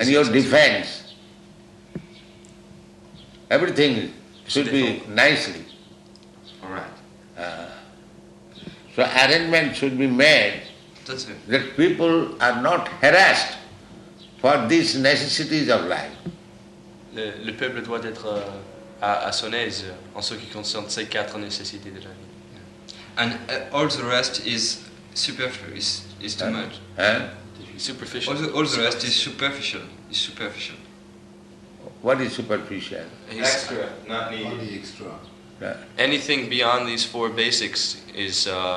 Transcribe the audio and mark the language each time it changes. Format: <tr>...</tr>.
<en>and your defense. Everything should be nicely. All right. So arrangement should be made that people are not harassed. For these necessities of life.</en> <fr>Le peuple doit être à son aise en ce qui concerne ces quatre nécessités de la vie.</fr> <en>And all the rest is superfluous, is too much. Hein? Superficial. All the rest is superficial. Is superficial. What is superficial? Extra, not needed. Only extra. Yeah. Anything beyond these four basics is...</en>